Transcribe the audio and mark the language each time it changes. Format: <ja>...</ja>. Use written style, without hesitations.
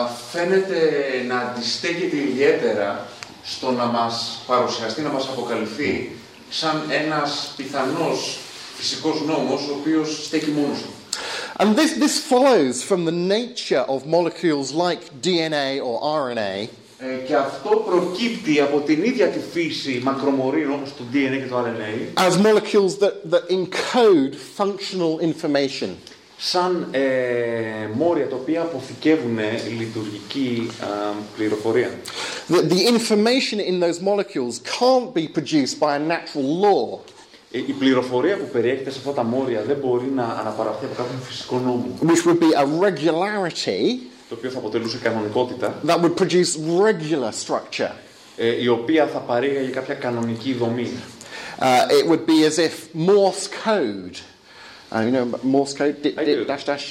<el>Φαίνεται να αντιστέκεται ιδιαίτερα στο να μας παρουσιαστεί, να μας αποκαλυφθεί σαν ένας πιθανός φυσικός νόμος, ο οποίος στέκει μόνος του.</el> <en>And this follows from the nature of molecules like DNA or RNA.</en> <el>Και αυτό προκύπτει από την ίδια τη φύση μακρομορίων όπως το DNA και το RNA.</el> <en>As molecules that encode functional information.</en> <el>Σαν μόρια τα οποία αποθηκεύουν λειτουργική πληροφορία.</el> <en>The information in those molecules can't be produced by a natural law.</en> <el>Η πληροφορία που περιέχεται σε αυτά τα μόρια δεν μπορεί να αναπαραχθεί από κάποιον φυσικό νόμο.</el> <en>Which would be a regularity.</en> <el>Το οποίο θα αποτελούσε κανονικότητα.</el> <en>That would produce regular structure.</en> <el>Η οποία θα παρήγαγε κάποια κανονική δομή.</el> <en>It would be as if Morse code. You know Morse code? Dash, yes.</en>